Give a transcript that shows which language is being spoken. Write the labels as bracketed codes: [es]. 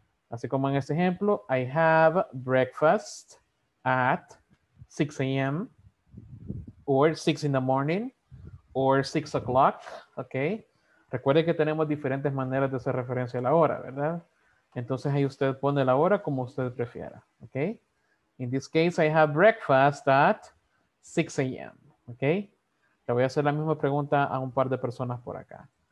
[es] Así como en este ejemplo, [en] I have breakfast at 6 a.m. or 6 in the morning or 6 o'clock, ¿ok? [es] Recuerde que tenemos diferentes maneras de hacer referencia a la hora, ¿verdad? Entonces ahí usted pone la hora como usted prefiera, ¿ok? [en] In this case, I have breakfast at 6 a.m., ¿ok? [es] Le voy a hacer la misma pregunta a un par de personas por acá.